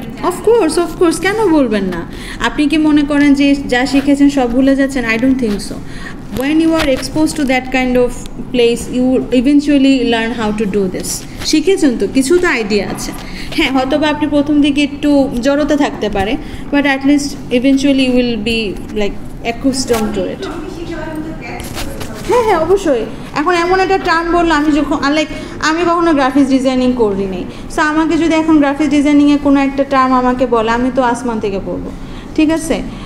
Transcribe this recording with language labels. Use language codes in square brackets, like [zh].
[bn] Of course of course, কেন বলবেন না? আপনি কি মনে করেন যে যা শিখেছেন সব ভুলে যাচ্ছেন? [en] I don't think so. When you are exposed to that kind of place, you eventually learn how to do this. [bn] শিখেছেন তো, কিছু তো আইডিয়া আছে। হ্যাঁ, হয়তো বা আপনি প্রথম দিকে একটু জড়তা থাকতে পারে, [en] But at least eventually will be like accustom to it. [bn] হ্যাঁ হ্যাঁ, অবশ্যই। এখন এমন একটা টার্ম বললো আমি যখন লাইক আমি কখনো গ্রাফিক্স ডিজাইনিং করি নি, সো আমাকে যদি এখন গ্রাফিক্স ডিজাইনিংয়ে কোনো একটা টার্ম আমাকে বলে, আমি তো আসমান থেকে পড়ব, ঠিক আছে?